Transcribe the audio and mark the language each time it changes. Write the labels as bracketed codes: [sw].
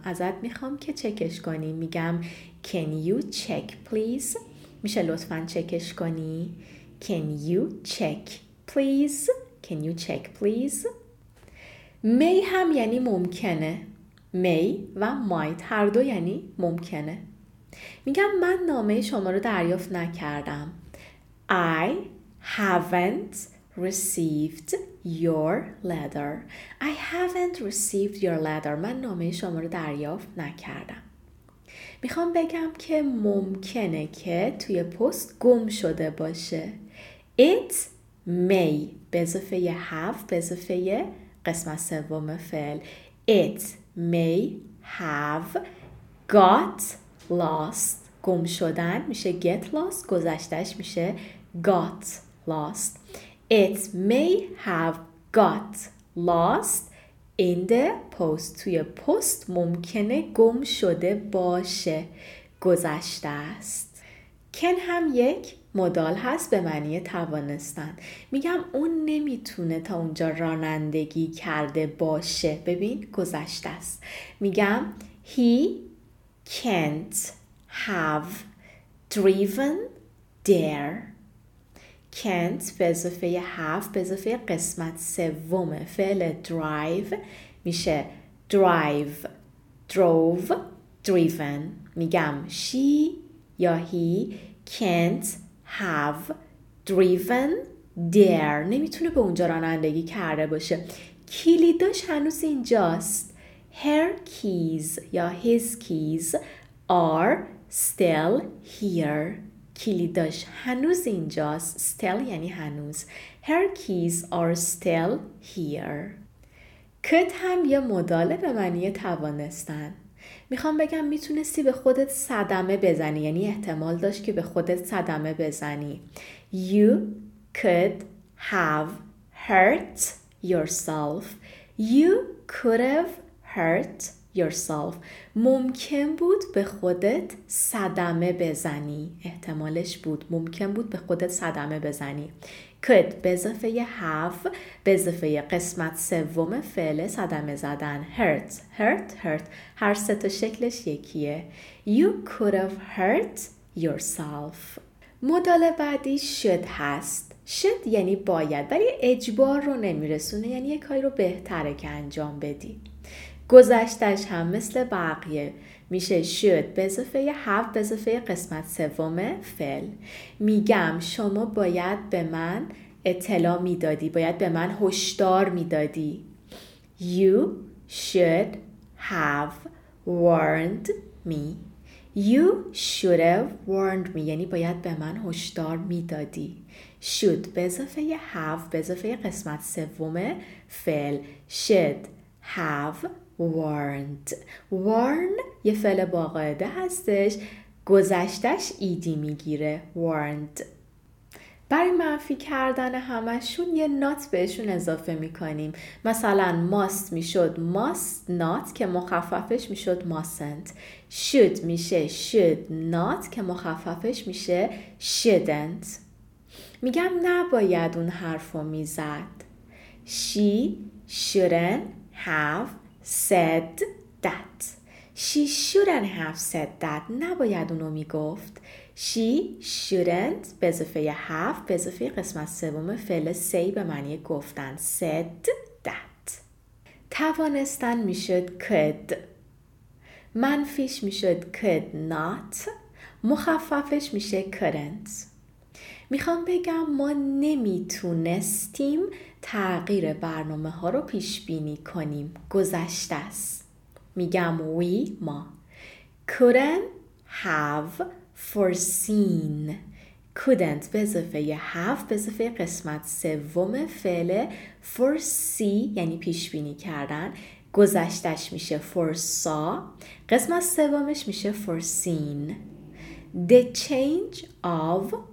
[fa] ازت میخوام که چکش کنی. [en] میگم Can you check please? [fa] میشه لطفاً چکش کنی. [en] Can you check please? Can you check please? [fa] May هم یعنی ممکنه. May و might هر دو یعنی ممکنه. میگم من نامه شما رو دریافت نکردم. [en] I haven't received your letter. I haven't received your letter. [fa] من نامه شما رو دریافت نکردم. میخوام بگم که ممکنه که توی پست گم شده باشه. [en] It may [fa] به اضافه have به اضافه قسمت سوم فعل. [en] It may have got lost. [fa] گم شدن میشه [en] get lost. [fa] گذشتش میشه [en] got lost. It may have got lost in the post. [fa] توی پست ممکنه گم شده باشه. گذشته است. Can هم یک مدال هست به معنی توانستن. میگم اون نمیتونه تا اونجا رانندگی کرده باشه. ببین گذشته است. [en] میگم He can't have driven there. [fa] Can't به اضافه have به اضافه قسمت سوم فعل drive میشه [en] drive, drove, driven. میگم she یا he can't have driven there. [fa] نمیتونه به اونجا رانندگی کرده باشه. کلیداش هنوز اینجاست. [en] Her keys یا his keys are still here. [fa] کلیداش هنوز اینجاست. Still یعنی هنوز. [en] Her keys are still here. [fa] Could هم یه مداله به معنی توانستن. میخوام بگم میتونستی به خودت صدمه بزنی. یعنی احتمال داشت که به خودت صدمه بزنی. [en] You could have hurt yourself. You could have hurt yourself. [fa] ممکن بود به خودت صدمه بزنی. احتمالش بود. ممکن بود به خودت صدمه بزنی. Could به اضافه have به اضافه قسمت سوم فعل صدمه زدن. Hurt. Hurt. Hurt. هر سه تا شکلش یکیه. [en] You could have hurt yourself. [fa] مدال بعدی should هست. Should یعنی باید. ولی اجبار رو نمیرسونه. یعنی یک کاری رو بهتره که انجام بدی. گذشتش هم مثل بقیه میشه should به اضافه have به اضافه قسمت سوم فعل. میگم شما باید به من اطلاع میدادی. باید به من هشدار میدادی. [en] You should have warned me. You should have warned me. [fa] یعنی باید به من هشدار میدادی. Should به اضافه have به اضافه قسمت سوم فعل. [en] Should have warned. [fa] Warn یه فعل باقاعده هستش. گذشتش ایدی میگیره. Warned. برای منفی کردن همشون یه not بهشون اضافه میکنیم. مثلا must میشد [en] must not [fa] که مخففش میشد mustn't. Should میشه [en] should not [fa] که مخففش میشه shouldn't. میگم نباید اون حرفو میزد. [en] She shouldn't have said that. She shouldn't have said that. [fa] نباید اونو میگفت. [en] She shouldn't [fa] به اضافه have به اضافه قسمت سوم فعل say به معنی گفتن. [en] Said that. [fa] توانستن میشد could. منفیش میشد could not. مخففش میشه couldn't. میخوام بگم ما نمیتونستیم تغییر برنامه ها رو پیش بینی کنیم. گذشته است. [en] میگم we ما couldn't have foreseen. [fa] couldn't به اضافه have به اضافه قسمت سوم فعل foresee یعنی پیش بینی کردن. گذشته اش میشه foresaw. قسمت سومش میشه foreseen. [en] The change of